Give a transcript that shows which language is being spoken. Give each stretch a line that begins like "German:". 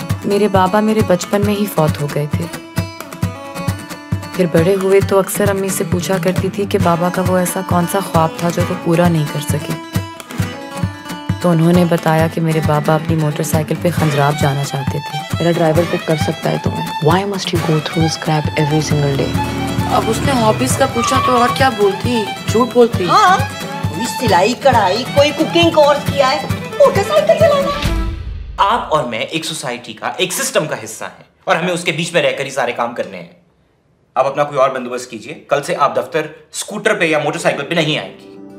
Hindi: मेरे बाबा मेरे बचपन में ही फौत हो गए थे. फिर बड़े हुए तो अक्सर अम्मी से पूछा करती थी कि बाबा का वो ऐसा कौन सा ख्वाब था जो वो पूरा नहीं कर सके. तो उन्होंने बताया कि मेरे बाबा अपनी मोटरसाइकिल पे खंजराब जाना चाहते थे. मेरा ड्राइवर पिक कर सकता है तुम्हें.
English: Why must you go through scrap every single day?
Hindi: अब उसने हॉबीज का पूछा तो और क्या बोलती? झूठ बोलती. कोई सिलाई कढ़ाई, कोई कुकिंग कोर्स किया है, मोटरसाइकिल चलाना. आप और मैं एक सोसाइटी का एक सिस्टम का हिस्सा है और हमें उसके बीच में रहकर ही सारे काम करने हैं. आप अपना कोई और बंदोबस्त कीजिए. कल से आप दफ्तर स्कूटर पे या मोटरसाइकिल पे नहीं आएंगी.